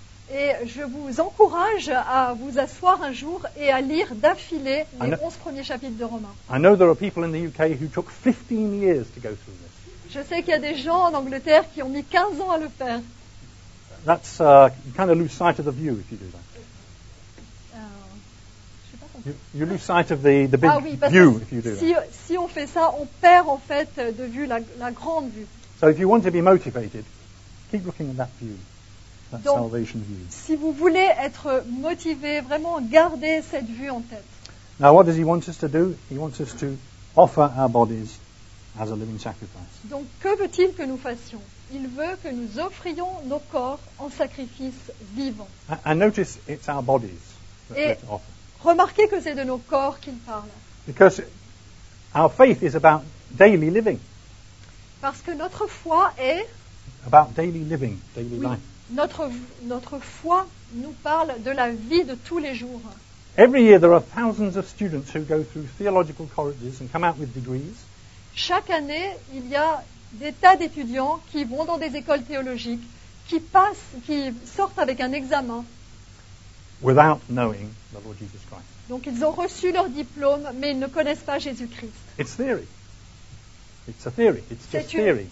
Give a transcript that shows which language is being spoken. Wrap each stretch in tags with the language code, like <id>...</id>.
<fr>Et je vous encourage à vous asseoir un jour et à lire d'affilée les 11 premiers chapitres de Romains.</fr> <en>I know there are people in the UK who took 15 years to go through this.</en> <fr>Je sais qu'il y a des gens en Angleterre qui ont mis 15 ans à le faire.</fr> <en>That's you kind of lose sight of the view if you do that. You lose sight of the big view if you do that.</en> <fr>Si on fait ça, on perd en fait de vue la grande vue.</fr> <en>So if you want to be motivated, keep looking at that view.</en> <fr>Donc,</fr> <en>salvation view.</en> <fr>Si vous voulez être motivé, vraiment gardez cette vue en tête.</fr> <en>Now, what does he want us to do? He wants us to offer our bodies as a living sacrifice.</en> <fr>Donc, que veut-il que nous fassions? Il veut que nous offrions nos corps en sacrifice vivant.</fr> <en>And notice it's our bodies that we offer.</en> <fr>Remarquez que c'est de nos corps qu'il parle.</fr> <en>Because our faith is about daily living.</en> <fr>Parce que notre foi est</fr> <en>about daily living, daily</en> <fr>oui.</fr> <en>life.</en> <fr>Notre foi nous parle de la vie de tous les jours.</fr> <en>Every year there are thousands of students who go through theological colleges and come out with degrees.</en> <fr>Chaque année, il y a des tas d'étudiants qui vont dans des écoles théologiques, qui sortent avec un examen.</fr> <en>Without knowing the Lord Jesus Christ.</en> <fr>Donc ils ont reçu leur diplôme, mais ils ne connaissent pas Jésus-Christ.</fr> <en>It's theory. It's a theory. It's just theory.</en>